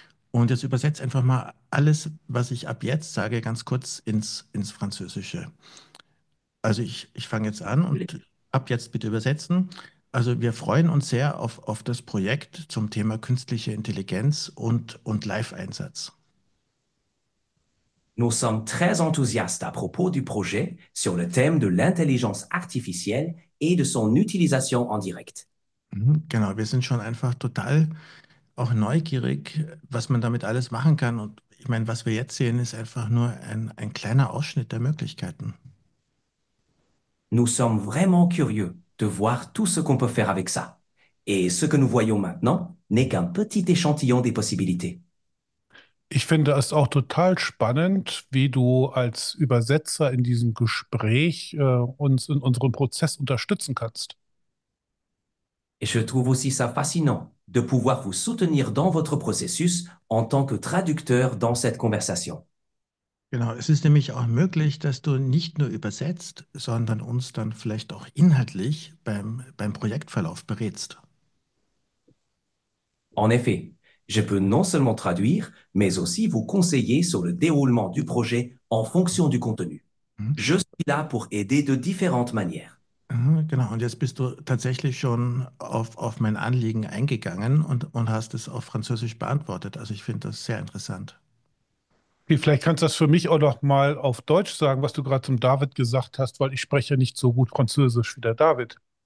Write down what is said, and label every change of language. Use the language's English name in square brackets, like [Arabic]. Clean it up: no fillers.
[German] Und jetzt übersetze einfach mal alles, was ich ab jetzt sage, ganz kurz ins Französische. Also ich fange jetzt an und ab jetzt bitte übersetzen. Also wir freuen uns sehr auf das Projekt zum Thema künstliche Intelligenz und Live-Einsatz. [French] Nous sommes très enthousiastes à propos du projet sur le thème de l'intelligence artificielle et de son utilisation en direct. [German] Genau, wir sind schon einfach total auch neugierig, was man damit alles machen kann. Und ich meine, was wir jetzt sehen, ist einfach nur ein kleiner Ausschnitt der Möglichkeiten. [French] Nous sommes vraiment curieux de voir tout ce qu'on peut faire avec ça. Et ce que nous voyons maintenant n'est qu'un petit échantillon des possibilités. [German] Ich finde es auch total spannend, wie du als Übersetzer in diesem Gespräch uns in unserem Prozess unterstützen kannst. [French] Et je trouve aussi ça fascinant de pouvoir vous soutenir dans votre processus en tant que traducteur dans cette conversation. [German] Genau, es ist nämlich auch möglich, dass du nicht nur übersetzt, sondern uns dann vielleicht auch inhaltlich beim Projektverlauf berätst. [French] En effet, je peux non seulement traduire, mais aussi vous conseiller sur le déroulement du projet en fonction du contenu. Je suis là pour aider de différentes manières. [German] Genau, und jetzt bist du tatsächlich schon auf mein Anliegen eingegangen und hast es auf Französisch beantwortet. Also ich finde das sehr interessant. Vielleicht kannst du das für mich auch noch mal auf Deutsch sagen, was du gerade zum David gesagt hast, weil ich spreche nicht so gut Französisch wie der David.